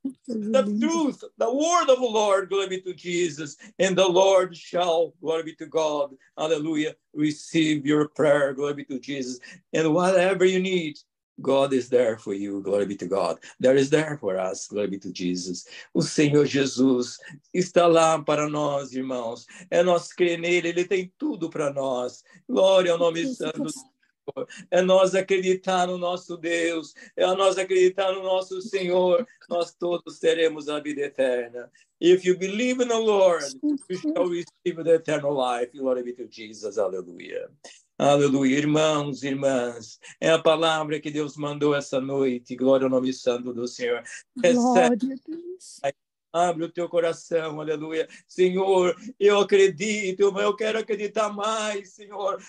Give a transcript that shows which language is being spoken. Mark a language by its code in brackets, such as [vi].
[en] The truth, the word of the Lord, glory be to Jesus, and the Lord shall, glory be to God, hallelujah, receive your prayer, glory be to Jesus, and whatever you need, God is there for you, glory be to God. There is there for us, glory be to Jesus. [pt] O Senhor Jesus está lá para nós, irmãos, é nós crer nele, ele tem tudo para nós. Glória ao nome santo. É nós acreditar no nosso Deus, é nós acreditar no nosso Senhor, nós todos teremos a vida eterna. [en] If you believe in the Lord, you shall receive the eternal life. Glory be to Jesus, aleluia. [pt] Aleluia, irmãos, irmãs, é a palavra que Deus mandou essa noite, glória ao nome santo do Senhor. Glória a Deus. Abre o teu coração, aleluia. Senhor, eu acredito, mas eu quero acreditar mais, Senhor.